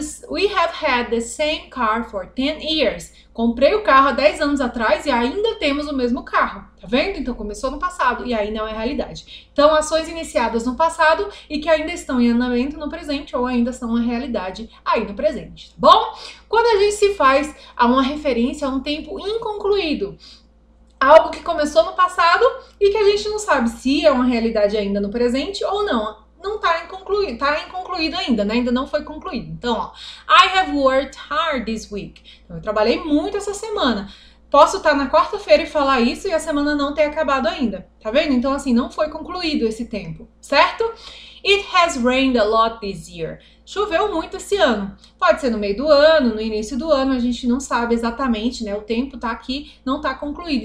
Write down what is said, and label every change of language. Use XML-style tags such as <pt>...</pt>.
<en>We have had the same car for 10 years.</en> <pt>Comprei o carro há 10 anos atrás e ainda temos o mesmo carro. Tá vendo? Então começou no passado e ainda não é realidade. Então, ações iniciadas no passado e que ainda estão em andamento no presente ou ainda são uma realidade aí no presente. Tá bom? Quando a gente se faz a uma referência a um tempo inconcluído, algo que começou no passado e que a gente não sabe se é uma realidade ainda no presente ou não. Não tá inconcluído, tá inconcluído ainda, né? Ainda não foi concluído. Então, ó,</pt> <en>I have worked hard this week.</en> <pt>Então, eu trabalhei muito essa semana. Posso estar na quarta-feira e falar isso e a semana não ter acabado ainda. Tá vendo? Então, assim, não foi concluído esse tempo, certo?</pt> <en>It has rained a lot this year.</en> <pt>Choveu muito esse ano. Pode ser no meio do ano, no início do ano, a gente não sabe exatamente, né? O tempo tá aqui, não tá concluído.</pt>